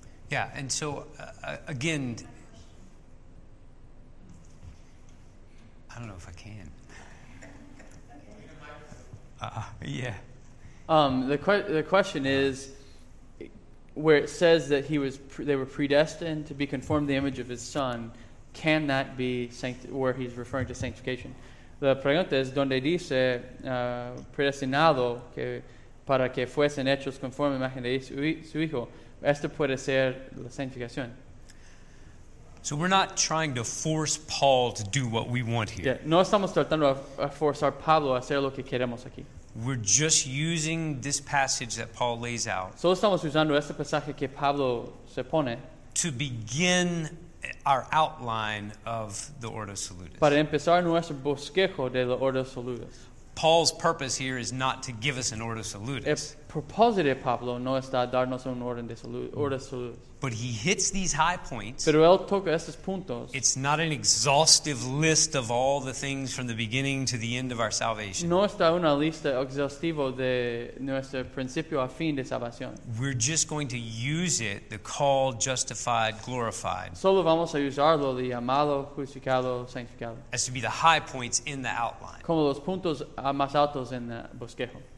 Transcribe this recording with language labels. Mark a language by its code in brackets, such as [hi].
[en] Yeah, and so, again, I don't know if I can. The question is where it says that they were predestined to be conformed to the image of his son. Can that be where he's referring to sanctification? [es] La pregunta es donde dice predestinado que para que fuesen hechos conforme a la imagen de su hijo. Esto puede ser la sanctificación. [en] So we're not trying to force Paul to do what we want here. [es] Yeah, no estamos tratando a forzar Pablo a hacer lo que queremos aquí. [en] We're just using this passage that Paul lays out. [es] Solo estamos usando este pasaje que Pablo se pone [en] to begin our outline of the Ordo Salutis. [es] Para empezar nuestro bosquejo de la Ordo Salutis. [en] Paul's purpose here is not to give us an Ordo Salutis. [es] El propósito de Pablo no está darnos un orden de Ordo Salutis. [en] But he hits these high points. [es] Pero él toca estos puntos. [en] It's not an exhaustive list of all the things from the beginning to the end of our salvation. [es] No está una lista exhaustiva de nuestro principio a fin de salvación. [en] We're just going to use it, the call, justified, glorified. [es] Solo vamos a usarlo, de llamado, justificado, santificado. [en] As to be the high points in the outline. [es] Como los puntos más altos en el bosquejo.